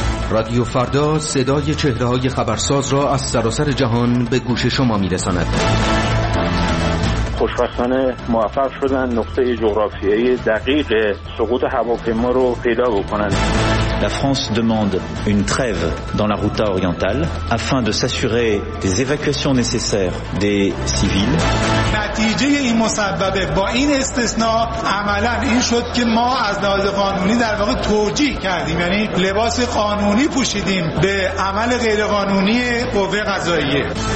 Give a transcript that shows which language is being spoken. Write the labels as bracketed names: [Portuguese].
[Persian] رادیو فردا صدای چهره‌های خبرساز را از سراسر جهان به گوش شما می‌رساند. خوشبختانه موفق شدن نقطه جغرافیایی دقیق سقوط هواپیما رو پیدا بکنند. [French] La France demande une trêve dans la route orientale afin de s'assurer des évacuations nécessaires des civils. [Persian] نتیجه این مسببه با این استثناء عملا این شد که ما از لحاظ قانونی در واقع توجیه کردیم، یعنی لباس قانونی پوشیدیم به عمل غیرقانونی قوه قضاییه.